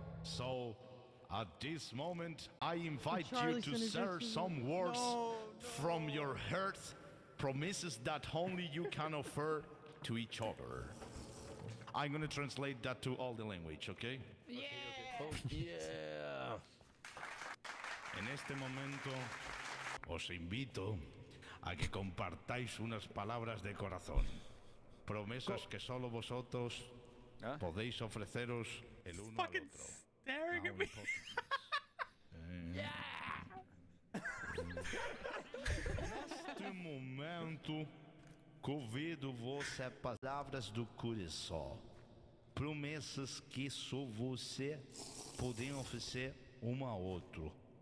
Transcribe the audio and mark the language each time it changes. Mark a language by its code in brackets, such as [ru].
[en] So, at this moment, I invite you to share some words from your heart, promises that only you can offer to each other. I'm gonna translate that to all the language, okay? Yeah! Yeah! [es] En este momento, os invito a que compartáis unas palabras de corazón. Promesas que solo vosotros podéis ofreceros el uno al otro. [en] Staring at me. Yeah! [pt] En este momento, convido vos a palavras do coração. Promessas que só você pode oferecer um ao outro.